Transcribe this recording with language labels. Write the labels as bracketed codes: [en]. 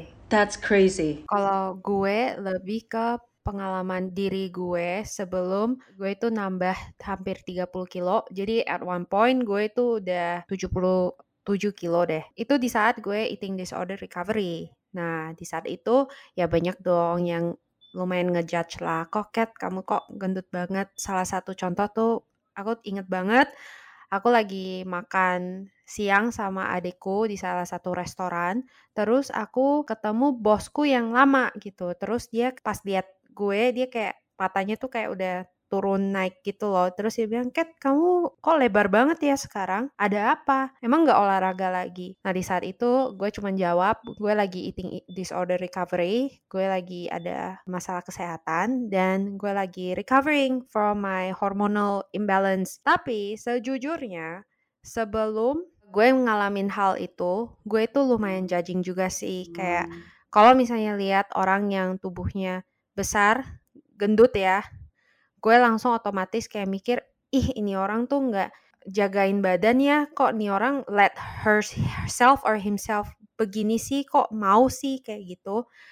[en] That's crazy. [id] Kalau gue lebih ke pengalaman diri gue sebelum gue itu nambah hampir 30 kilo. Jadi [en] at one point [id] gue itu udah 77 kilo deh. Itu di saat gue eating disorder recovery. Nah, di saat itu ya banyak dong yang lumayan ngejudge lah. Kok Kat, kamu kok gendut banget? Salah satu contoh tuh, aku inget banget, aku lagi makan siang sama adikku di salah satu restoran. Terus aku ketemu bosku yang lama gitu. Terus dia pas lihat gue, dia kayak matanya tuh kayak udah turun naik gitu loh. Terus dia bilang, Kat, kamu kok lebar banget ya sekarang? Ada apa? Emang gak olahraga lagi? Nah, di saat itu gue cuma jawab, gue lagi eating disorder recovery. Gue lagi ada masalah kesehatan. Dan gue lagi [en] recovering from my hormonal imbalance. [id] Tapi sejujurnya, sebelum gue ngalamin hal itu, gue tuh lumayan judging juga sih. Kayak kalau misalnya lihat orang yang tubuhnya besar, gendut ya, gue langsung otomatis kayak mikir, ih ini orang tuh gak jagain badan ya, kok ini orang [en] let herself or himself [id] begini sih, kok mau sih kayak gitu.